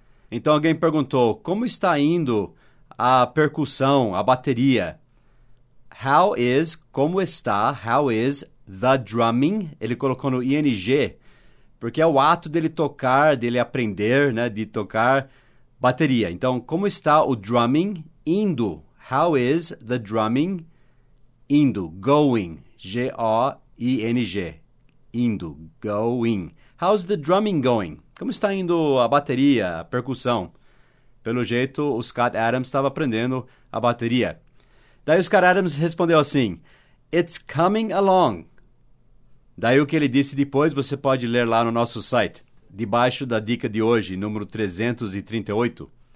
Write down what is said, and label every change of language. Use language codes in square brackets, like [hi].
[pt] Então alguém perguntou, como está indo a percussão, a bateria? [en] How is, [pt] como está, [en] how is the drumming? Ele colocou no ING, porque é o ato dele tocar, dele aprender, né, de tocar bateria. Então, como está o drumming indo? How is the drumming indo, going? G-O-I-N-G, indo, going. How's the drumming going? [pt] Como está indo a bateria, a percussão? Pelo jeito, o Scott Adams estava aprendendo a bateria. Daí o Scott Adams respondeu assim, [en] It's coming along. [pt] Daí o que ele disse depois, você pode ler lá no nosso site, debaixo da dica de hoje, número 338.